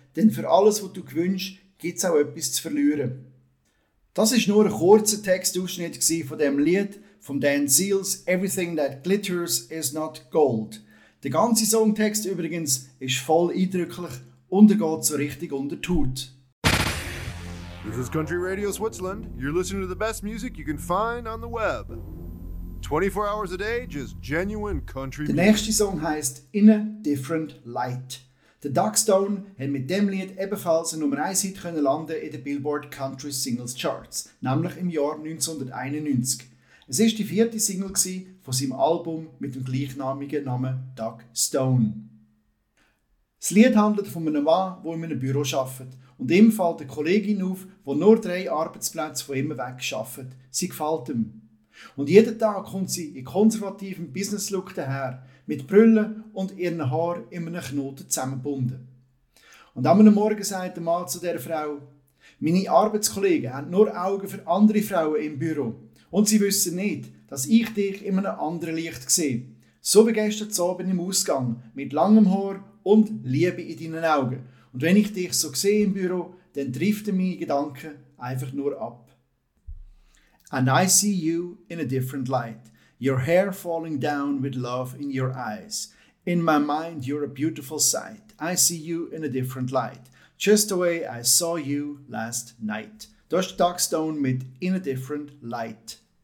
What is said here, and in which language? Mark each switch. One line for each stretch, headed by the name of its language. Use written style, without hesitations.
German: Denn für alles, was du gewünscht, gibt es auch etwas zu verlieren. Das war nur ein kurzer Textausschnitt von dem Lied von Dan Seals, «Everything that glitters is not gold». Der ganze Songtext übrigens ist voll eindrücklich und er geht so richtig unter die Haut.
English: This is Country Radio Switzerland. You're listening to the best music you can find on the web. 24 hours a day, just genuine country music.
German: Der nächste Song heisst In a Different Light. The Doug Stone hat mit dem Lied ebenfalls eine Nummer 1 Hit können landen in den Billboard Country Singles Charts, nämlich im Jahr 1991. Es war die vierte Single von seinem Album mit dem gleichnamigen Namen Doug Stone. Das Lied handelt von einem Mann, der in einem Büro arbeitet. Und ihm fällt eine Kollegin auf, die nur drei Arbeitsplätze von ihm weg arbeitet. Sie gefällt ihm. Und jeden Tag kommt sie in konservativem Business-Look daher, mit Brillen und ihren Haaren in einem Knoten zusammengebunden. Und am Morgen sagt der Mann zu dieser Frau: Meine Arbeitskollegen haben nur Augen für andere Frauen im Büro. Und sie wissen nicht, dass ich dich in einem anderen Licht sehe. So wie gestern Abend im Ausgang, mit langem Haar und Liebe in deinen Augen. Und wenn ich dich so sehe im Büro, dann driften meine Gedanken einfach nur ab.
English: And I see you in a different light. Your hair falling down with love in your eyes. In my mind, you're a beautiful sight. I see you in a different light. Just the way I saw you last night.
German: Das ist Doug Stone mit In a Different Light.